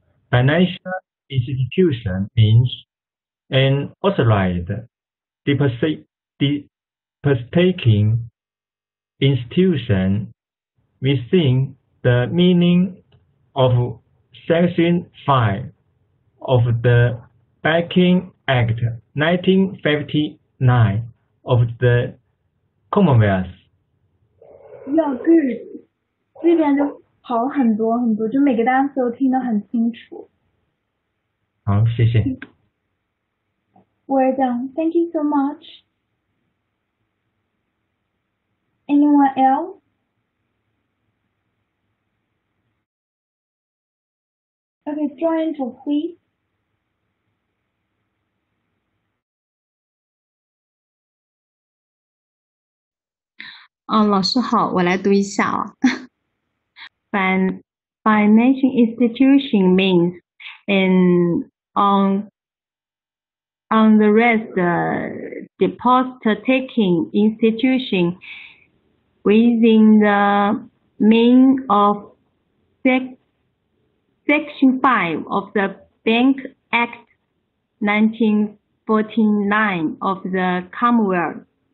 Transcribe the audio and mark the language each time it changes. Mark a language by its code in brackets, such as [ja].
[en] Financial institution means an authorized deposit-taking institution within the meaning of Section 5 of the Banking Act 1959 of the Commonwealth. [zh] 要 good， 这边就好很多很多，就每个单词都听得很清楚。好，谢谢。 [en] Well done. Thank you so much. Anyone else? Okay, join for please. [zh] Oh, 老师好，我来读一下啊。 [en] Financial institution means on the rest deposit taking institution within the meaning of Section 5 of the Bank Act 1949 of the Commonwealth.